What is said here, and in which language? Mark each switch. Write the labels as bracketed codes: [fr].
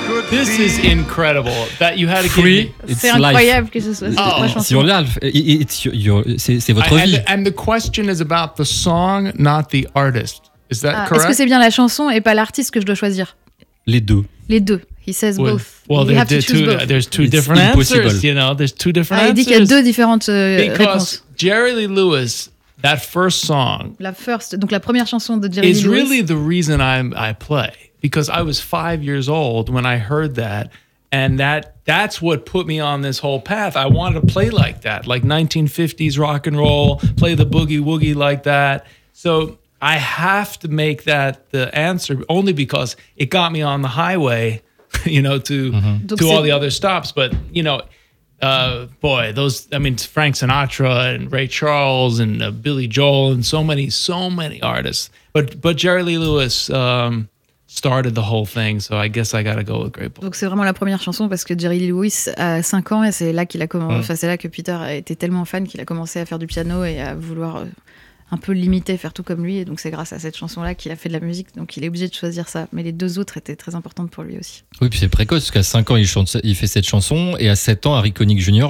[en] This is incredible that you had to give me. It's life. Oh. It's your life. [fr] C'est votre vie. [en] And the question is about the song, not the artist. Is that correct? [fr] Est-ce que c'est bien la chanson et pas l'artiste que je dois choisir? Les deux. [en] He says both. Well, you have to choose both. There's two different answers. You know, there's two different answers. [fr] Il dit qu'il y a deux différentes [en] réponses. Jerry Lee Lewis. That first song. [fr] La première chanson de Jerry [en] Lee Lewis. Is really the reason I play. Because I was 5 years old when I heard that, and that's what put me on this whole path. I wanted to play like that, like 1950s rock and roll, play the boogie woogie like that. So I have to make that the answer only because it got me on the highway, you know, to to all the other stops. But, you know, boy, those, I mean, Frank Sinatra and Ray Charles and Billy Joel and so many artists. But Jerry Lee Lewis started the whole thing, so I guess I gotta go with Grateful. [fr] Donc c'est vraiment la première chanson parce que Jerry Lee Lewis a 5 ans et c'est là qu'il a commencé. Enfin, c'est là que Peter a été tellement fan qu'il a commencé à faire du piano et à vouloir un peu l'imiter, faire tout comme lui. Et donc c'est grâce à cette chanson-là qu'il a fait de la musique. Donc il est obligé de choisir ça. Mais les deux autres étaient très importantes pour lui aussi. Oui, puis c'est précoce parce qu'à 5 ans il fait cette chanson et à 7 ans Harry Connick Jr.